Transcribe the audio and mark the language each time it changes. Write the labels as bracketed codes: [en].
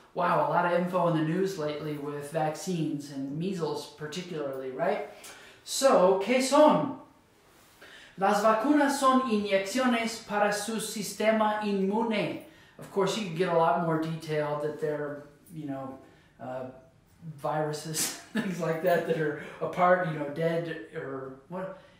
[en] Wow, a lot of info in the news lately with vaccines and measles particularly, right? [es] So, ¿qué son? Las vacunas son inyecciones para su sistema inmune. [en] Of course, you can get a lot more detail that they're, you know, viruses, things like that, that are apart, you know, dead or what.